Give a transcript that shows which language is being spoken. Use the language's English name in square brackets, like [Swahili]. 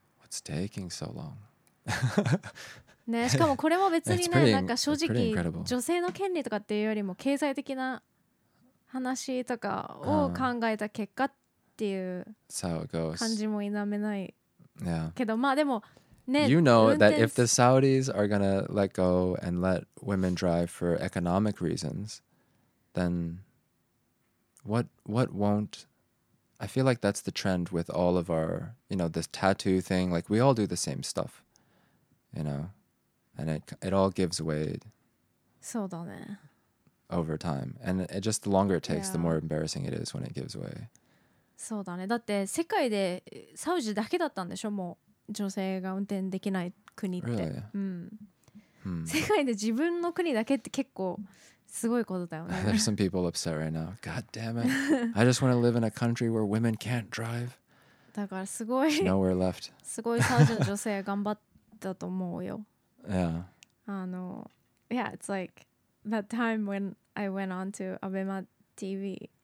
[English] What's taking so long? [Japanese] ね、しかもこれも別にね、なんか正直女性の権利とかっていうよりも経済的な話とかを考えた結果っていう感じも否めないけど、まあでもね、 [English] You know that if the Saudis are gonna let go and let women drive for economic reasons, then what won't... I feel like that's the trend with all of our, you know, this tattoo thing. Like, we all do the same stuff, you know, and it all gives way. [Japanese] そうだね。 [English] Over time. And it just the longer it takes, yeah. The more embarrassing it is when it gives way. [Japanese] そうだね。だって世界でサウジだけだったんでしょ、もう女性が運転できない国って。 [English] Really? [Japanese] うん。世界で自分の国だけって結構すごいことだよね。 [English] There's some people upset right now. God damn it. I just want to live in a country where women can't drive. [Japanese] だからすごい。 [English] There's nowhere left. [Japanese] すごいサウジの女性頑張ったと思うよ。 [English] Yeah. Yeah, it's like that time when I went on to ABEMA TV.